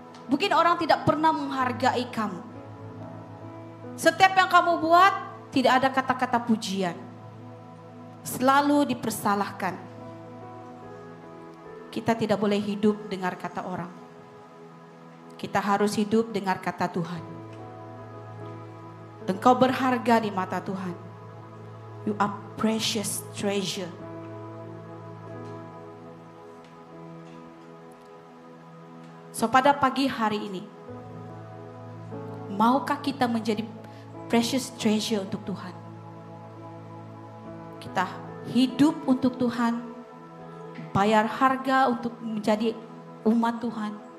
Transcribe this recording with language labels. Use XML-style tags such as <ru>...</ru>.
<id>Mungkin orang tidak pernah menghargai kamu. Setiap yang kamu buat, tidak ada kata-kata pujian. Selalu dipersalahkan. Kita tidak boleh hidup dengar kata orang. Kita harus hidup dengar kata Tuhan. Engkau berharga di mata Tuhan.</id> <en>You are precious treasure.</en> <id>So pada pagi hari ini, maukah kita menjadi</id> <en>precious treasure</en> <id>untuk Tuhan? Kita hidup untuk Tuhan, bayar harga untuk menjadi umat Tuhan.</id>